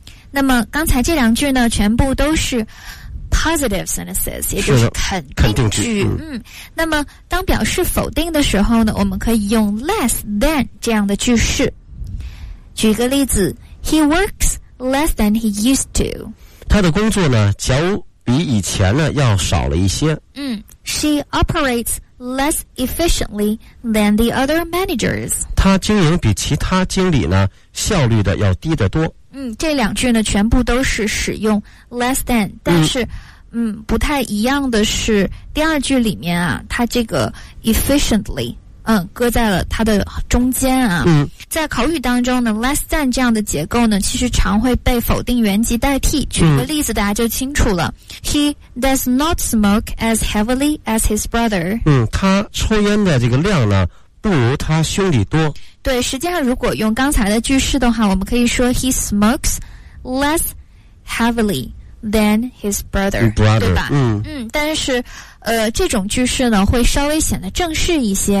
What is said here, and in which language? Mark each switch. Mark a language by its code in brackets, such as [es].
[zh] 那么刚才这两句呢全部都是 [en] positive sentences， [zh] 也就是肯定句。那么当表示否定的时候呢，我们可以用 less than 这样的句式。举一个例子 [en] ,He works less than he used to。 [zh] 他的工作呢较比以前呢要少了一些。 [en] She operates less efficiently than the other managers. [zh] 她经营比其他经理呢效率的要低得多。这两句呢全部都是使用 less than， 但是不太一样的是第二句里面啊，它这个 efficiently 搁在了它的中间啊。嗯，在口语当中呢 less than 这样的结构呢其实常会被否定原级代替，举个例子大家就清楚了。 [en] He does not smoke as heavily as his brother。 [zh] 他抽烟的这个量呢不如他兄弟多。对，实际上如果用刚才的句式的话，我们可以说 [en] He smokes less heavily than his brother, brother [zh] 对吧？嗯嗯，但是这种句式呢会稍微显得正式一些。